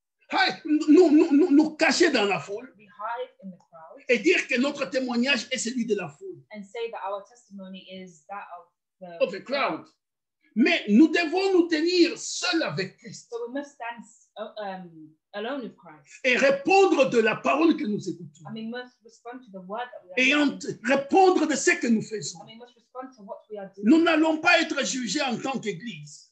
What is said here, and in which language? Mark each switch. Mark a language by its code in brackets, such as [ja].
[fr] Nous cacher dans la foule et dire que notre témoignage est celui de la foule. [en] And say that our testimony is that of the crowd. [fr] Mais nous devons nous tenir seuls avec Christ. [en] So we must stand alone with Christ. [fr] Et répondre de la parole que nous écoutons. [en] And we must respond to the word that we are hearing. [fr] Et répondre de ce que nous faisons. [en] And we must respond to what we are doing. [fr] Nous n'allons pas être jugés en tant qu'église.